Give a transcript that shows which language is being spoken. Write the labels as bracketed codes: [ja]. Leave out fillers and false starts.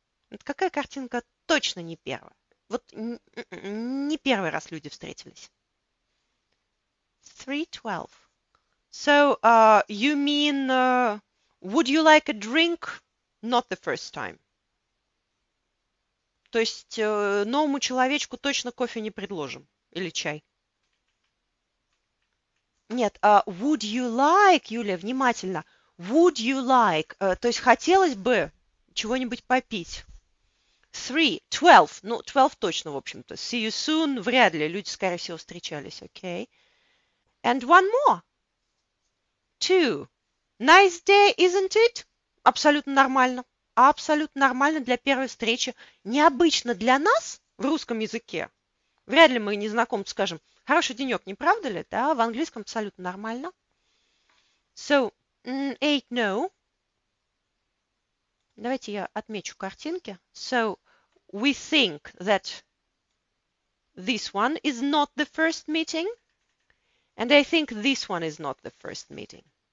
[ru] Вот какая картинка точно не первая? Вот не первый раз люди встретились. 3:12. [en] So, you mean, would you like a drink? Not the first time. [ru] То есть новому человечку точно кофе не предложим. Или чай. Нет, would you like, Юля, внимательно. Would you like, то есть хотелось бы чего-нибудь попить. 3:12. Ну, 12 точно, в общем-то. See you soon. Вряд ли. Люди, скорее всего, встречались. [en] Okay. And one more. 2. Nice day, isn't it? Абсолютно нормально. [ru] Абсолютно нормально для первой встречи. Необычно для нас в русском языке. Вряд ли мы незнакомцу скажем. Хороший денек, не правда ли? Да, в английском абсолютно нормально. [en] So, 8, no. [ru] Давайте я отмечу картинки. [en] So, we think that this one is not the first meeting. And I think this one is not the first meeting.